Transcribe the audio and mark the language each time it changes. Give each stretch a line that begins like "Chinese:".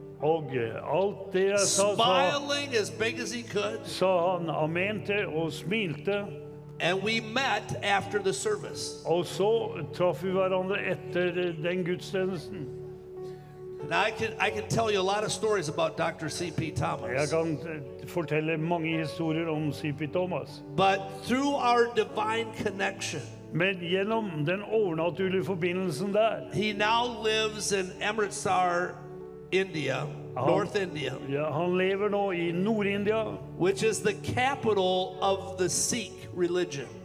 Norwegian: Og alt det jeg sa,
English: smiling as big as he could.
Norwegian: Så han amente og smilte.
English: And we met after the service.
Norwegian: Og så traff vi hverandre etter den gudstjenesten.
English: Now I can tell you a lot of stories about Dr. C.P. Thomas.
Norwegian: Jeg kan fortelle mange historier om C.P. Thomas.
English: But through our divine connection.
Norwegian: Men gjennom den overnaturlige forbindelsen der.
English: He now lives in Amritsar, India, North India.
Norwegian: Ja, han lever nå I Nord-India,
English: which is the capital of the Sikh religion.